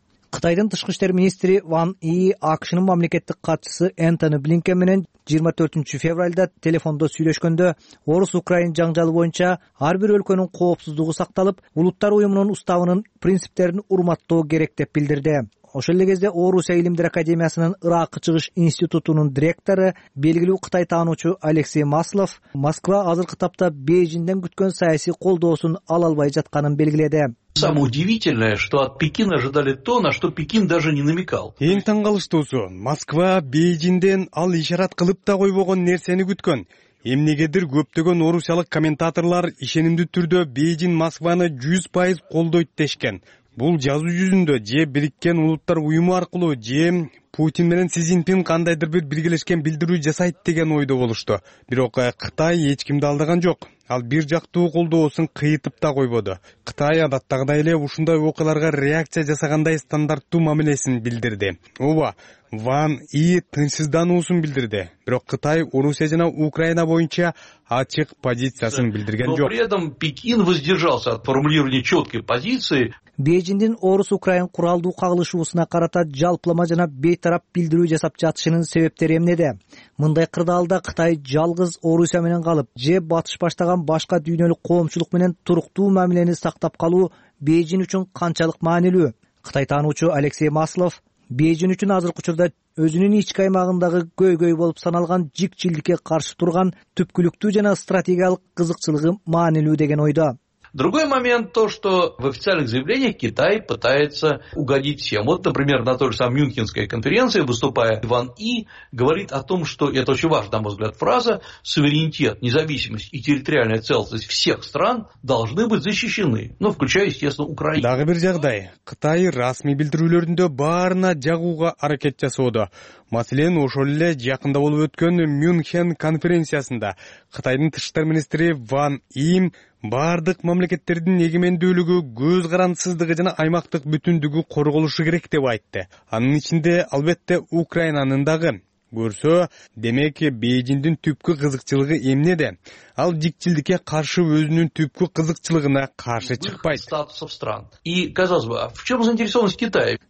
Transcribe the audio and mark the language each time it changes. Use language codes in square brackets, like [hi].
[ky] Кытайдын тышкы иштер министри Ван И АКШнын мамлекеттик катчысы Энтони Блинкен менен 24 февральда телефондо сүйлөшкөндө орус украин жаңжалы боюнча ар бир өлкөнүн коопсуздугу сакталып, улуттар уюмунун уставынын принциптерин урматтоо керек деп билдирди. Ошол эле кезде Орусия илимдер академиясынын ырак чыгыш институтунун директору, белгилүү Кытай таануучу Алексей Маслов Москва азыркы тапта Бээжинден күткөн саясий колдоосун ала албай жатканын белгиледи. [ru] Самое удивительное, что от Пекина ожидали то, на что Пекин даже не намекал. [ky] Эң таңкалыштуусу, Москва Бээжинден ал ишарат кылып да койбогон нерсени күткөн. Эмнегедир көптөгөн орусиялык комментаторлор ишенимдүү түрдө Бээжин Москваны 100% колдойт дешкен. Бул жазуу жүзүндө же Бириккен Улуттар Уюму аркылуу же Путин менен Си Цзиньпин кандайдыр бир биргелешкен билдирүү жасайт деген ойдо болушту. Бирок Кытай эч кимди алдаган жок. Ал бир жактуу колдоосун кыйытып да койбоду. Кытай адаттагыдай эле ушундай окуяларга реакция жасагандай стандарттуу мамилесин билдирди. Ооба, Ван И тынчсыздануусун билдирди. Бирок Кытай Орусия жана Украина боюнча ачык позициясын билдирген жок. [ru] Но при этом Пекин воздержался от формулирования четкой позиции. [ky] Бээжиндин орус-украин куралдуу кагылышуусуна карата жалпылама жана бейтарап билдирүү жасап жатышынын себептери эмнеде? Мындай кырдаалда Кытай жалгыз Орусия менен калып, же батыш баштаган башка дүйнөлүк коомчулук менен туруктуу мамилени сактап калуу Бээжин үчүн канчалык маанилүү? Кытай таануучу Алексей Маслов Бээжин үчүн азыркы учурда өзүнүн ички аймагындагы көйгөй болуп саналган жикчилдикке каршы турган түпкүлүктүү жана стратегиялык кызыкчылыгы маанилүү деген ойдо. [ru] Другой момент то, что в официальных заявлениях Китай пытается угодить всем. Вот, например, на той же самой Мюнхенской конференции, выступая, Ван И говорит о том, что, это очень важная, на мой взгляд, фраза, суверенитет, независимость и территориальная целостность всех стран должны быть защищены, ну, включая, естественно, Украину. [ky] Дагы бир жагдай, Кытай расмий билдирүүлөрүндө баарына жагууга аракет жасоодо. Маселен, ошол эле жакында болуп өткөн Мюнхен конференциясында Кытайдын тышкы иштер министри Ван И баардык мамлекеттердин эгемендүүлүгү, көз карандысыздыгы жана аймактык бүтүндүгү корголушу керек деп айтты. Анын ичинде албетте Украинанын дагы. Көрсө, демек Бейжиндин түпкү кызыкчылыгы эмнеде? Ал дикчилдикке каршы өзүнүн түпкү кызыкчылыгына каршы чыкпайт. [ru] Статусов стран. И казалось бы, в чём заинтересованность Китая?